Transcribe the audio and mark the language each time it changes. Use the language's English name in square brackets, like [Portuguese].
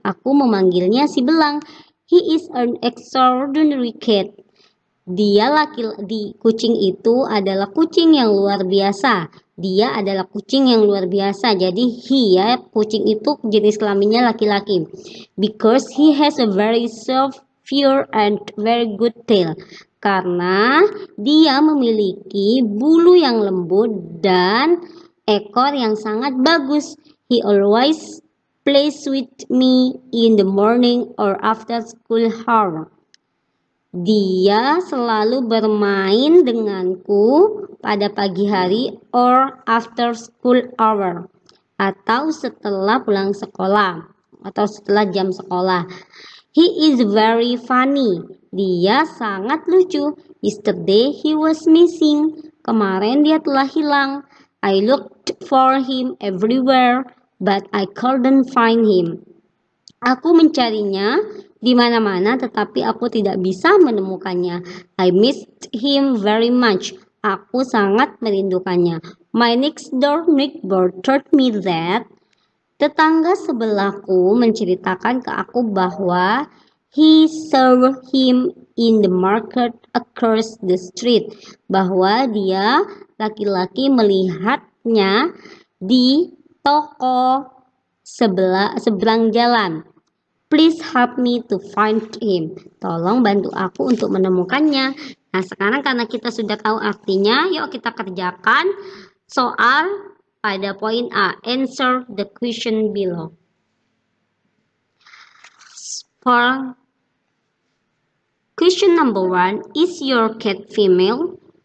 [Indonesian] Aku memanggilnya [English] Si Belang. He is an extraordinary cat. [Indonesian] Dia laki-laki, kucing itu adalah kucing yang luar biasa. Dia adalah kucing yang luar biasa. Jadi he ya, kucing itu jenis kelaminnya laki-laki. [English] Because he has a very soft fur and very good tail. [Indonesian] Karena dia memiliki bulu yang lembut dan ekor yang sangat bagus. [English] He always plays with me in the morning or after school hour. [Indonesian] Dia selalu bermain denganku pada pagi hari [English] or after school hour [Indonesian] atau setelah pulang sekolah atau setelah jam sekolah. [English] He is very funny. [Indonesian] Dia sangat lucu. [English] Yesterday he was missing. [Indonesian] Kemarin dia telah hilang. [English] I looked for him everywhere but I couldn't find him. [Indonesian] Aku mencarinya di mana-mana, tetapi aku tidak bisa menemukannya. [English] I missed him very much. [Indonesian] Aku sangat merindukannya. [English] My next door neighbor told me that. [Indonesian] Tetangga sebelahku menceritakan ke aku bahwa [English] he saw him in the market across the street. [Indonesian] Bahwa dia laki-laki melihat nya di toko seberang jalan. [English] Please help me to find him. [Indonesian] Tolong bantu aku untuk menemukannya. Nah, sekarang karena kita sudah tahu artinya, yuk kita kerjakan soal pada poin A. [English] Answer the question below. For question number one, is your cat female?